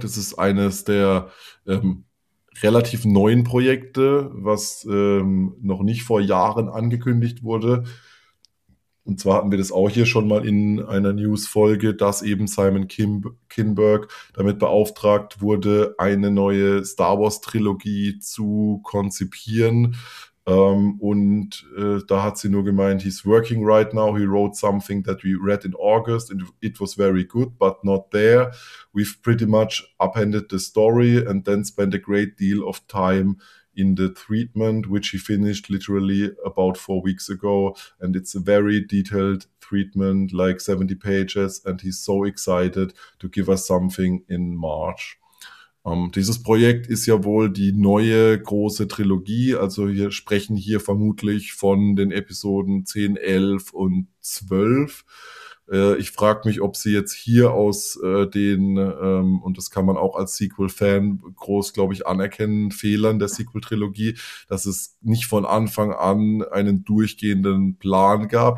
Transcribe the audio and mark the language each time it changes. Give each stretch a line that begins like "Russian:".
German: Das ist eines der relativ neuen Projekte, was noch nicht vor Jahren angekündigt wurde. Und zwar hatten wir das auch hier schon mal in einer News-Folge, dass eben Simon Kinberg damit beauftragt wurde, eine neue Star Wars-Trilogie zu konzipieren. Da hat sie nur gemeint,
English: he's working right now, he wrote something that we read in August and it was very good, but not there. We've pretty much upended the story and then spent a great deal of time in the treatment, which he finished literally about 4 weeks ago. And it's a very detailed treatment, like 70 pages, and he's so excited to give us something in March.
German: Dieses Projekt ist ja wohl die neue große Trilogie, also wir sprechen hier vermutlich von den Episoden 10, 11 und 12. Ich frage mich, ob sie jetzt hier aus den, und das kann man auch als Sequel-Fan groß, glaube ich, anerkennen, Fehlern der Sequel-Trilogie, dass es nicht von Anfang an einen durchgehenden Plan gab.